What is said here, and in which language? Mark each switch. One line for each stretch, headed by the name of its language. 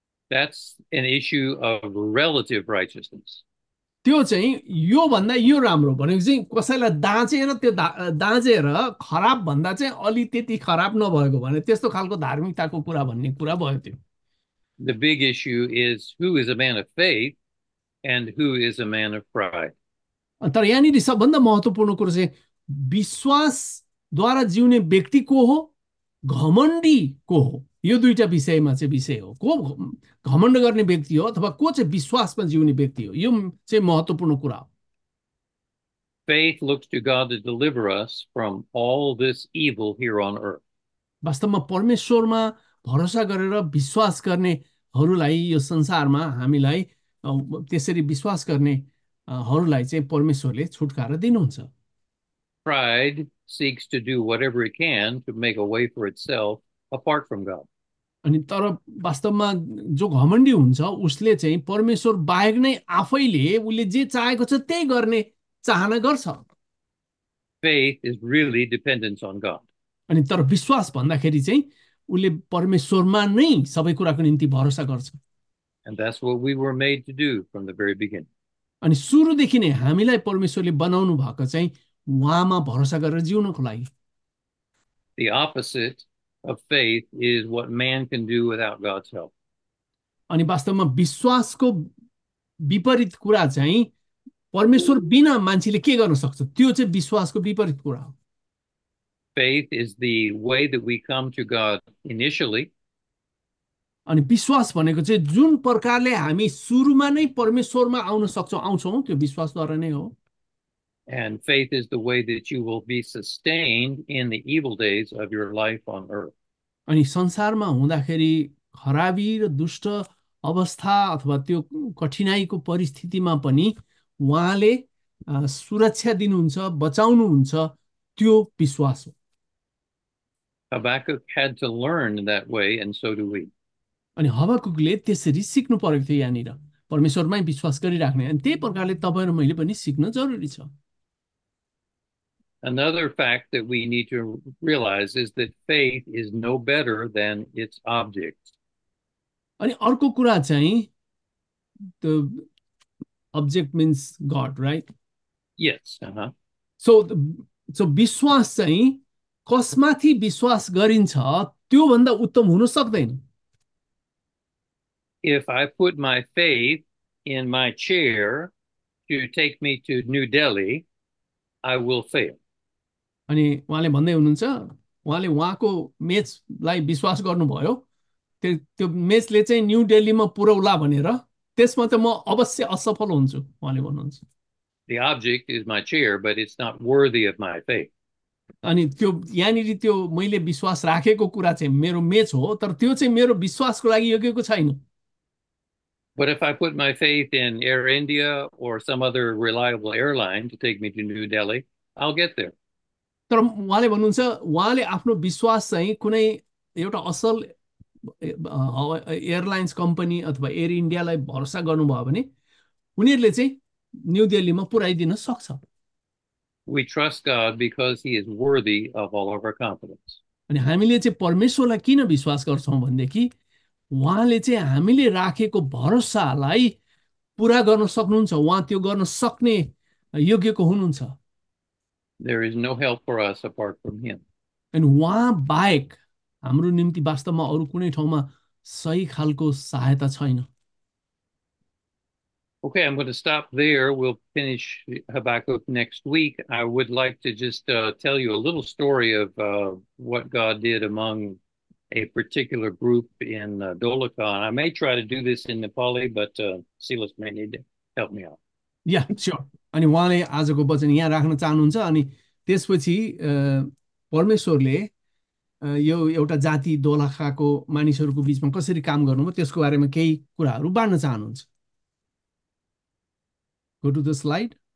English: That's an issue of relative righteousness.
Nepali: त्यो चाहिँ यो भन्दा यो राम्रो भनेको चाहिँ कसैलाई दाँचेर त्यो दाँचेर खराब भन्दा चाहिँ अलि त्यति खराब नभएको भने त्यस्तो खालको धार्मिकताको कुरा भन्ने कुरा भयो त्यो।
English: The big issue is who is a man of faith and who is a man of pride.
Nepali: तर यहाँनिर सबभन्दा महत्त्वपूर्ण कुरो चाहिँ विश्वासद्वारा जिउने व्यक्ति को हो, घमण्डी को हो, यो दुईटा विषयमा चाहिँ विषय हो। को घमण्ड गर्ने व्यक्ति हो अथवा को चाहिँ विश्वासमा जिउने व्यक्ति हो, यो चाहिँ महत्त्वपूर्ण कुरा हो।
English: Faith looks to God to deliver us from all this evil here on earth.
Nepali: वास्तवमा परमेश्वरमा भरोसा गरेर विश्वास गर्नेहरूलाई यो संसारमा हामीलाई त्यसरी विश्वास गर्ने हरूलाई चाहिँ परमेश्वरले छुटकारा दिनुहुन्छ।
English: Pride seeks to do whatever it can to make a way for itself apart from God.
Nepali: अनि तर वास्तवमा जो घमण्डी हुन्छ उसले चाहिँ परमेश्वर बाहेक नै आफैले उसले जे चाहेको छ त्यही गर्ने चाहना गर्छ।
English: Faith is really dependence on God.
Nepali: अनि तर विश्वास भन्दाखेरि चाहिँ उसले परमेश्वरमा नै सबै कुराको निम्ति भरोसा गर्छ।
English: And that's what we were made to do from the very beginning.
Nepali: अनि सुरुदेखि नै हामीलाई परमेश्वरले बनाउनु भएको चाहिँ उहाँमा भरोसा गरेर जिउनको लागि।
English: The opposite of faith is what man can do without God's help.
Nepali: अनि वास्तवमा विश्वासको विपरीत कुरा चाहिँ परमेश्वर बिना मान्छेले के गर्न सक्छ, त्यो चाहिँ विश्वासको विपरीत कुरा हो।
English: Faith is the way that we come to God initially.
Nepali: अनि विश्वास भनेको चाहिँ जुन प्रकारले हामी सुरुमा नै परमेश्वरमा आउन सक्छौँ आउँछौँ त्यो विश्वासद्वारा नै हो।
English: And faith is the way that you will be sustained in the evil days of your life on earth.
Nepali: अनि संसारमा हुँदाखेरि खराबी र दुष्ट अवस्था अथवा त्यो कठिनाइको परिस्थितिमा पनि उहाँले सुरक्षा दिनुहुन्छ, बचाउनुहुन्छ, त्यो विश्वास हो।
English: Habakkuk had to learn that way, and so do we.
Nepali: अनि हबक्कुकले त्यसरी सिक्नु परेको थियो यहाँनिर परमेश्वरमै विश्वास गरिराख्ने। अनि त्यही प्रकारले तपाईँ र मैले पनि सिक्न जरुरी छ।
English: Another fact that we need to realize is that faith is no better than its object.
Nepali: अनि अर्को कुरा चाहिँ
English: the object means God, right? Yes, uh-huh.
Nepali: So विश्वास चाहिँ कसमाथि विश्वास गरिन्छ त्योभन्दा उत्तम हुन सक्दैन।
English: If I put my faith in my chair to take me to New Delhi, I will fail.
Nepali: अनि उहाँले भन्दै हुनुहुन्छ, उहाँले उहाँको मेचलाई विश्वास गर्नुभयो, त्यो मेचले चाहिँ न्यू दिल्लीमा पुर्याउला भनेर, त्यसमा त म अवश्य असफल हुन्छु उहाँले भन्नुहुन्छ।
English: The object is my chair, but it's not worthy of my faith.
Nepali: अनि त्यो यहाँनिर त्यो मैले विश्वास राखेको कुरा चाहिँ मेरो मेच हो, तर त्यो चाहिँ मेरो विश्वासको लागि योग्यको छैन।
English: But if I put my faith in Air India or some other reliable airline to take me to New Delhi, I'll get there.
Nepali: तर उहाँले भन्नुहुन्छ उहाँले आफ्नो विश्वास चाहिँ कुनै एउटा असल एयरलाइन्स कम्पनी अथवा एयर इन्डियालाई भरोसा गर्नुभयो भने उनीहरूले चाहिँ न्यू दिल्लीमा पुर्याइदिन सक्छ।
English: We trust God because He is worthy of all of our confidence.
Nepali: अनि हामीले चाहिँ परमेश्वरलाई किन विश्वास गर्छौँ भनेदेखि उहाँले चाहिँ हामीले राखेको भरोसालाई पुरा गर्न सक्नुहुन्छ, उहाँ त्यो गर्न सक्ने योग्यको हुनुहुन्छ।
English: There is no help for us apart from Him.
Nepali: अनि उहाँ बाहेक हाम्रो निम्ति वास्तवमा अरू कुनै ठाउँमा सही खालको सहायता छैन।
English: Okay, I'm going to stop there. We'll finish Habakkuk next week. I would like to just tell you a little story of what God did among a particular group in Dolokhan. I may try to do this in Nepali, but Silas may need to help me out. Yeah sure.
Nepali: अनि उहाँले आजको वचन यहाँ राख्न चाहनुहुन्छ, अनि त्यसपछि परमेश्वरले यो एउटा जाति दोलखाको मानिसहरूको बिचमा कसरी काम गर्नुभयो त्यसको बारेमा केही कुराहरू बाँड्न चाहनुहुन्छ।
English: Go to the slide.